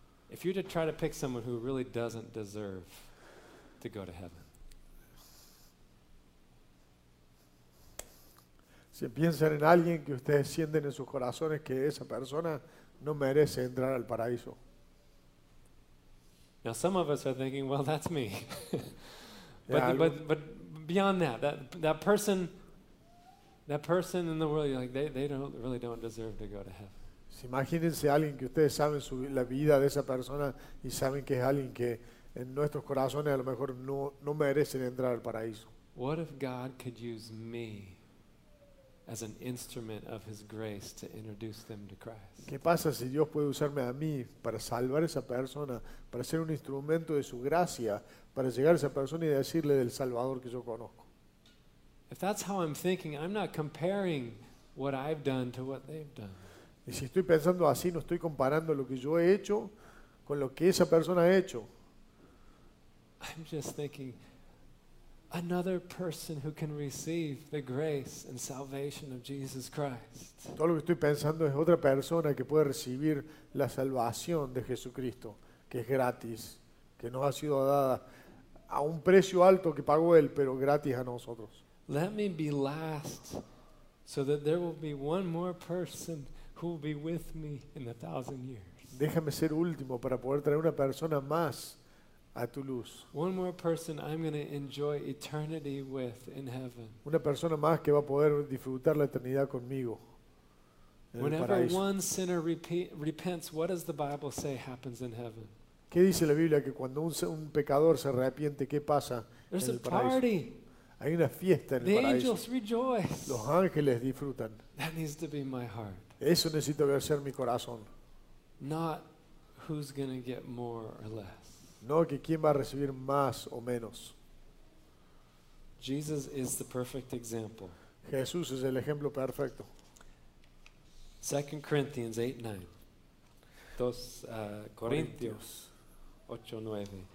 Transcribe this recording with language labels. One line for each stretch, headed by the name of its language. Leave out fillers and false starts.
English: If you were to try to pick someone who really doesn't deserve to go to heaven.
Spanish: Si piensan en alguien que ustedes sienten en sus corazones que esa persona no merece entrar al paraíso.
English: Now some of us are thinking, well, that's me. but beyond that person in the world, you're like, they really don't deserve to go to heaven.
Spanish: Si imagínense alguien que ustedes saben la vida de esa persona y saben que es alguien que en nuestros corazones a lo mejor no merecen entrar al paraíso.
English: What if God could use me as an instrument of his grace to introduce them to Christ?
Spanish: ¿Qué pasa si Dios puede usarme a mí para salvar a esa persona, para ser un instrumento de su gracia, para llegar a esa persona y decirle del Salvador que yo conozco?
English: If that's how I'm thinking, I'm not comparing what I've done to what they've done.
Spanish: Y si estoy pensando así, no estoy comparando lo que yo he hecho con lo que esa persona ha hecho.
English: I'm just thinking, another person who can receive the grace and salvation of Jesus Christ.
Spanish: Todo lo que estoy pensando es otra persona que puede recibir la salvación de Jesucristo, que es gratis, que nos ha sido dada a un precio alto que pagó él, pero gratis a nosotros.
English: Let me be last so that there will be one more person who will be with me in 1,000 years.
Spanish: Déjame ser último para poder traer una persona más a tu luz.
English: One more person I'm going to enjoy eternity with in heaven.
Spanish: Una persona más que va a poder disfrutar la eternidad conmigo.
English: Whenever one sinner repents, what does the Bible say happens in heaven?
Spanish: ¿Qué dice la Biblia que cuando un pecador se arrepiente, qué pasa en el paraíso? Hay una fiesta en el paraíso.
English: The angels rejoice.
Spanish: Los ángeles disfrutan.
English: That needs to be my heart.
Spanish: Eso necesito que sea mi corazón.
English: Not who's going to get more or less.
Spanish: No, que quién va a recibir más o menos.
English: Jesus is the perfect example.
Spanish: Jesús es el ejemplo perfecto.
English: 2 Corinthians 8:9.
Spanish: 2 Corintios 8:9.